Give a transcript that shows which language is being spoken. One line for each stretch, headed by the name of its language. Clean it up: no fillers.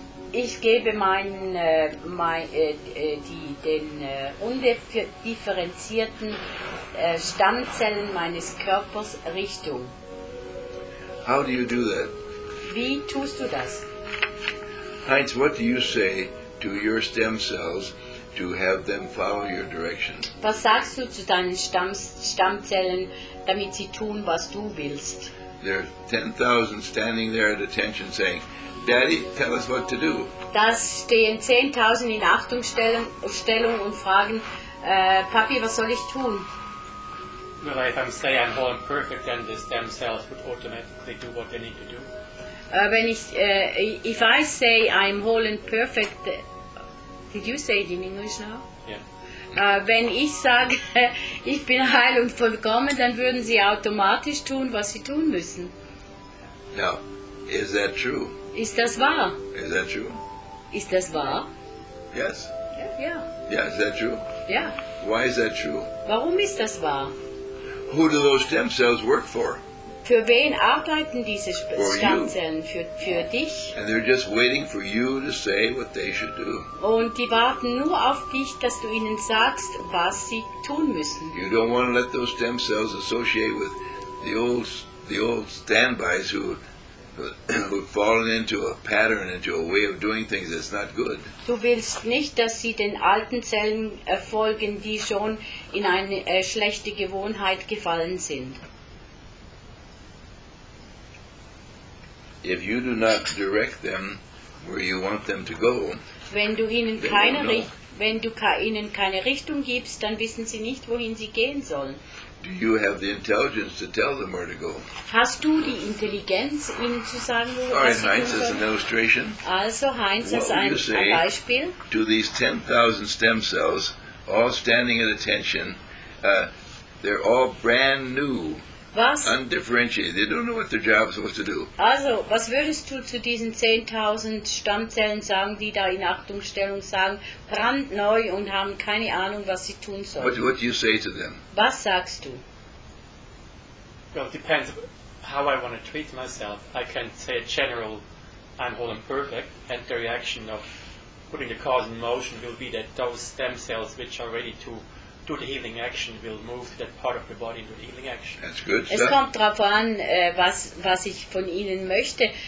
German: Ich gebe den undifferenzierten Stammzellen meines Körpers Richtung.
English: How do you do that?
German: Wie tust du das?
English: Heinz, what do you say to your stem cells to have them follow your direction?
German: Was sagst du zu deinen Stammzellen, damit sie tun, was du willst?
English: There are 10,000 standing there at attention saying, "Daddy, tell us what to do."
German: Das stehen 10,000 in Achtungsstellung und fragen, Papi, was soll ich tun?
English: Well, if I'm saying I'm born perfect, then the stem cells would automatically do what they need to do. If I say I'm whole and perfect, did you say it in English now?
German: Wenn ich sage, ich bin heil und vollkommen, dann würden sie automatisch tun, was sie tun müssen.
English: Now, is that true?
German: Ist das wahr?
English: Is that true?
German: Ist das wahr?
English: Yes. Yeah. Yeah, is that true? Yeah. Why is that true?
German: Warum ist das wahr?
English: Who do those stem cells work for?
German: Für wen arbeiten diese Schanzen? Für dich?
English: And they're just waiting for you to say what they should do.
German: Und die warten nur auf dich, dass du ihnen sagst, was sie tun müssen.
English: You don't want to let those stem cells associate with the old standbys who've fallen into a pattern, into a way of doing things that's not good.
German: Du willst nicht, dass sie den alten Zellen folgen, die schon in eine schlechte Gewohnheit gefallen sind.
English: If you do not direct them where you want them to go,
German: wenn du ihnen keine Richtung gibst, dann wissen sie nicht, wohin sie gehen sollen.
English: Do you have the intelligence to tell them where to go?
German: Hast du die Intelligenz, ihnen zu sagen, wo sie gehen sollen?
English: All right, Heinz, as an illustration.
German: Also, Heinz, as ein Beispiel.
English: What would you say to these 10,000 stem cells, all standing at attention, they're all brand new.
German: Was?
English: Undifferentiated. They don't know what their job is supposed to do.
German: Also, was würdest du zu diesen 10,000 Stammzellen sagen, die da in Achtungsstellung sagen, brandneu und haben keine Ahnung, was sie tun sollen?
English: What do you say to them?
German: Was sagst du?
English: Well, it depends how I want to treat myself. I can say a general, I'm whole and perfect, and the reaction of putting the cause in motion will be that those stem cells which are ready to do the healing action will move that part of the body into healing action. That's good.
German: Es kommt darauf an, was ich von Ihnen möchte.